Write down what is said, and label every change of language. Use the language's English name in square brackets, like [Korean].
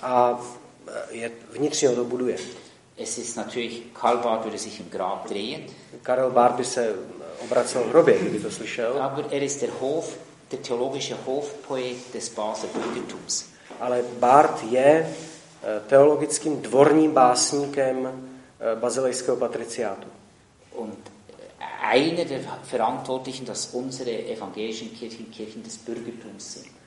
[Czech] A je vnitřně ho dobuduje. [German] Es ist natürlich Karl Barth würde sich im Grab drehen. [Czech] Karl Barth by se obracel v hrobě, kdyby to slyšel. [German] Aber er ist der theologische Hofpoet des Basler Bürgertums. [Czech] Ale Barth je teologickým dvorním básníkem bazilejského patriciátu. [German] Und einer der Verantwortlichen, dass unsere evangelischen Kirchen Kirchen des Bürgertums sind.